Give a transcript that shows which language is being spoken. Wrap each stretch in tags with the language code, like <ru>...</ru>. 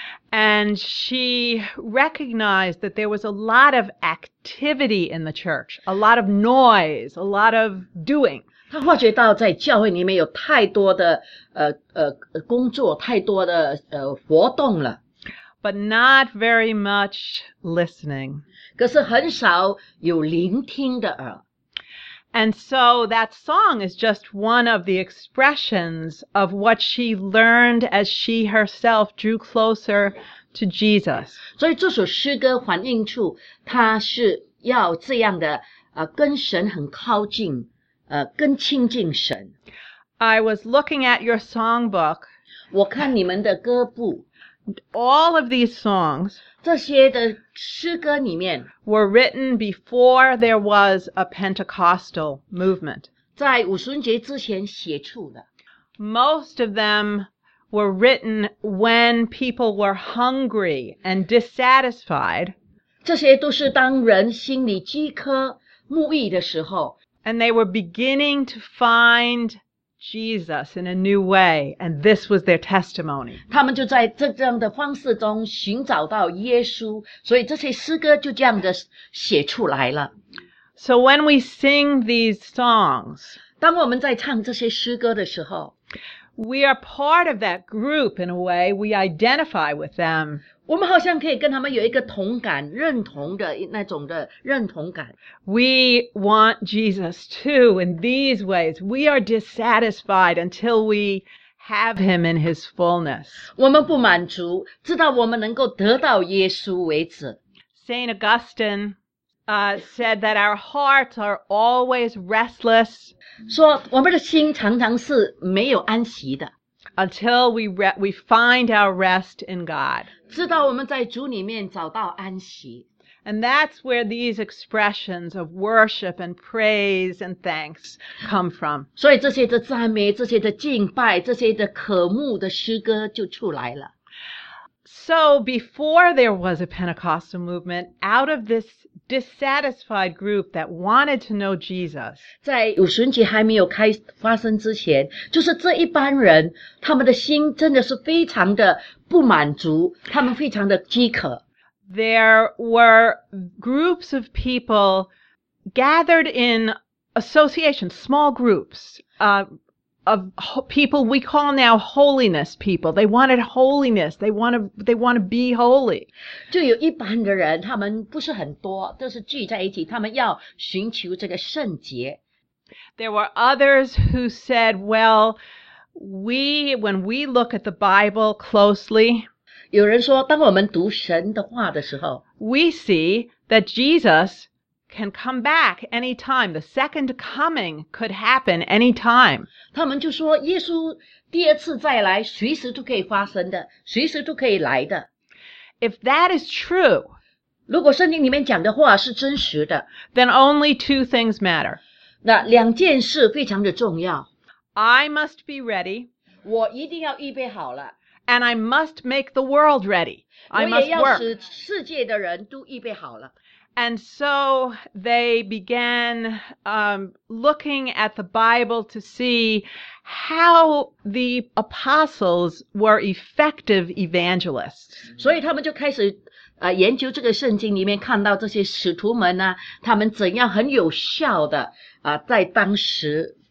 <en>And she recognized that there was a lot of activity in the church, a lot of noise, a lot of doing.</en> <zh>他发觉到在教会里面有太多的工作，太多的活动了。</zh> <en>But not very much listening.</en> <zh>可是很少有聆听的耳。</zh> <en>And so that song is just one of the expressions of what she learned as she herself drew closer to Jesus.</en> <zh>所以这首诗歌反映出她是要这样的跟神很靠近更亲近神。</zh> <en>I was looking at your songbook.</en> <zh>我看你们的歌簿。</zh> <en>All of these songs</en> <zh>这些的诗歌里面</zh> <en>were written before there was a Pentecostal movement.</en> <zh>在五旬节之前写出的。</zh> <en>Most of them were written when people were hungry and dissatisfied.</en> <zh>这些都是当人心里饥渴慕义的时候。</zh> <en>And they were beginning to find Jesus in a new way, and this was their testimony.</en> <zh>他们就在这样的方式中寻找到耶稣，所以这些诗歌就这样的写出来了。</zh> <en>So when we sing these songs,</en> <zh>当我们在唱这些诗歌的时候，</zh> <en>we are part of that group in a way, we identify with them.</en> <zh>我们好像可以跟他们有一个同感，认同的那种的认同感。</zh> <en>We want Jesus too in these ways. We are dissatisfied until we have him in his fullness.</en> <zh>我们不满足，直到我们能够得到耶稣为止。</zh> <en>Saint Augustine, said that our hearts are always restless.</en> <zh>说我们的心常常是没有安息的。</zh> <en>Until we find our rest in God.</en> <zh>直到我们在主里面找到安息。</zh> <en>And that's where these expressions of worship and praise and thanks come from.</en> <zh>所以这些的赞美，这些的敬拜，这些的渴慕的诗歌就出来了。</zh> <en>So before there was a Pentecostal movement, out of this dissatisfied group that wanted to know Jesus.</en> <zh>在五旬节还没有开发生之前，就是这一班人，他们的心真的是非常的不满足，他们非常的饥渴。</zh> <en>There were groups of people gathered in associations, small groups, of people we call now holiness people. They wanted holiness. They want to be holy.</en> <zh>就有一般的人，他们不是很多，都是聚在一起，他们要寻求这个圣洁。</zh> <en>There were others who said, well, when we look at the Bible closely,</en> <zh>有人说，当我们读神的话的时候，</zh> <en>we see that Jesus can come back anytime. The second coming could happen anytime.</en> <zh>他们就说耶稣第二次再来随时都可以发生的，随时都可以来的。</zh> <en>If that is true,</en> <zh>如果圣经里面讲的话是真实的，</zh> <en>then only two things matter.</en> <zh>那两件事非常的重要。</zh> <en>I must be ready.</en> <zh>我一定要预备好了。</zh> <en>And I must make the world ready. I must work.</en> <zh>我也要使世界的人都预备好了。</zh> <en>And so they began looking at the Bible to see how the apostles were effective evangelists.</en> <zh>所以他们就开始研究这个圣经里面看到这些使徒们呢，他们怎样很有效的在当时。</zh>